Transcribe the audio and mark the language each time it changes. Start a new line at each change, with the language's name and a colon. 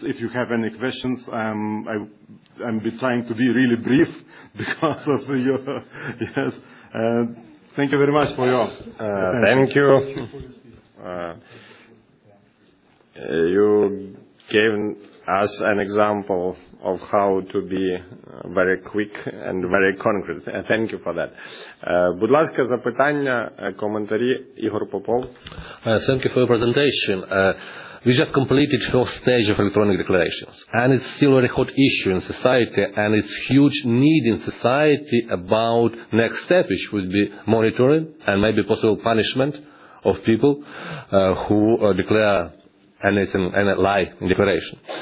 English: If you have any questions, I'm trying to be really brief because of your yes. Thank you very much for your attention. Thank you. You gave us an example of how to be very quick and very concrete. Thank you for that.
Ukrainian: Будь ласка, запитання, коментарі, Ігор Попов.
English: Thank you for your presentation. We just completed first stage of electronic declarations, and it's still a hot issue in society, and it's huge need in society about next step, which would be monitoring and maybe possible punishment of people who declare anything, any lie in declaration.